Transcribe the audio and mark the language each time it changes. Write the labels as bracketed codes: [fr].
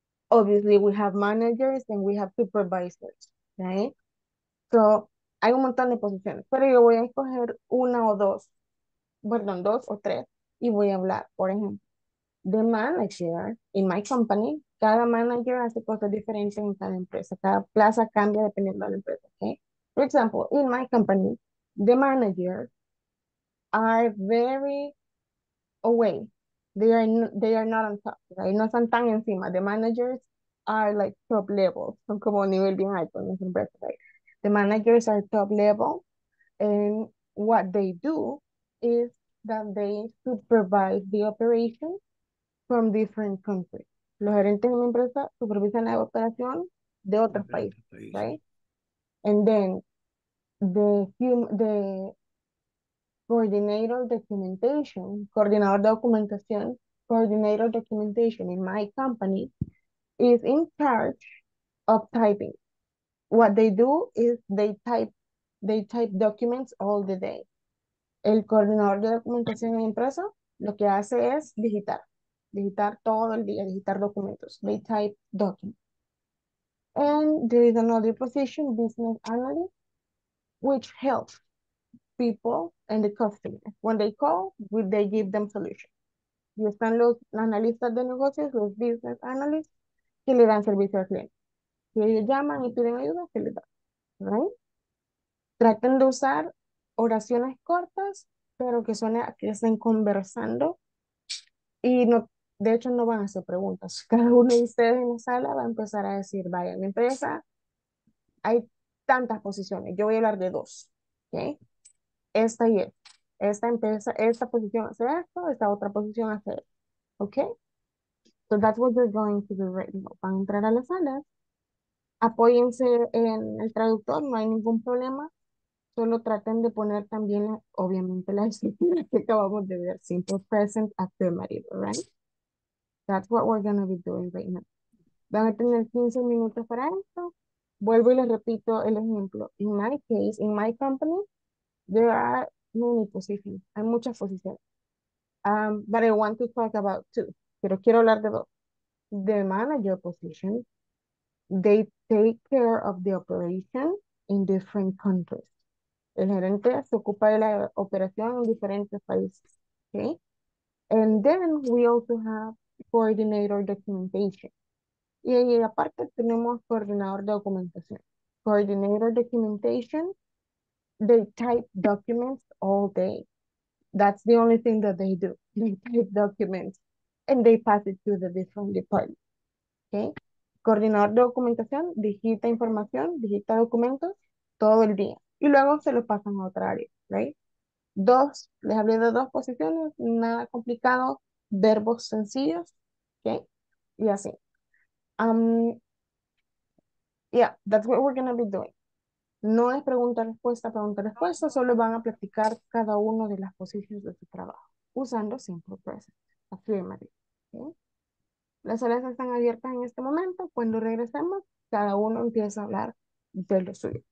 [en] Obviously, we have managers and we have supervisors, right? [es] So, hay un montón de posiciones, pero yo voy a escoger una o dos, perdón, dos o tres, y voy a hablar, por ejemplo, [en] the manager in my company, [es] cada manager hace cosas diferentes en cada empresa, cada plaza cambia dependiendo de la empresa, okay? [en] For example, in my company, the manager are very away. They are not on top, right? [es] No están tan encima. [en] The managers are like top level. [es] Son como a nivel bien alto en las empresas, right? [en] The managers are top level. And what they do is that they supervise the operation from different countries. [es] Los gerentes de una empresa supervisan la operación de otros países, right? [en] And then the Coordinator documentation, [es] coordinador de documentación, [en] coordinator documentation in my company is in charge of typing. What they do is they type documents all the day. [es] El coordinador de documentación en la empresa lo que hace es digitar todo el día, digitar documentos. [en] They type documents. And there is another position, business analyst, which helps people and the customer. When they call, will they give them solutions? [es] Y están los analistas de negocios, los business analysts, que le dan servicio al cliente. Si ellos llaman y piden ayuda, se les da. ¿Right? Traten de usar oraciones cortas, pero que suene a que estén conversando. Y no, de hecho, no van a hacer preguntas. Cada uno de ustedes en la sala va a empezar a decir, vaya, en mi empresa hay tantas posiciones. Yo voy a hablar de dos. ¿Okay? Esta y esta. Esta empieza, esta posición hace esto, esta otra posición hace esto. ¿Ok? [en] So that's what you're going to do right now. [es] Van a entrar a las salas. Apóyense en el traductor, no hay ningún problema. Solo traten de poner también, obviamente, la estructura que acabamos de ver. [en] Simple present affirmative, right? That's what we're going to be doing right now. [es] Van a tener 15 minutos para esto. Vuelvo y les repito el ejemplo. [en] In my case, in my company, there are many positions. [es] Hay muchas posiciones. [en] But I want to talk about two. [es] Pero quiero hablar de dos. [en] The manager position, they take care of the operation in different countries. [es] El gerente se ocupa de la operación en diferentes países. [en] Okay? And then we also have coordinator documentation. [es] Y ahí aparte tenemos coordinador de documentación. [en] Coordinator documentation, they type documents all day. That's the only thing that they do. They type documents and they pass it to the different departments. Okay? [es] Coordinador de documentación digita información, digita documentos todo el día. Y luego se lo pasan a otra área, right? Dos, les hablé de dos posiciones, nada complicado, verbos sencillos, ¿ok? Y así. [en] Yeah, that's what we're going to be doing. [es] No es pregunta respuesta, solo van a platicar cada uno de las posiciones de su trabajo, usando simple present, affirmative, ¿ok? Las salas están abiertas en este momento. Cuando regresemos, cada uno empieza a hablar de lo suyo.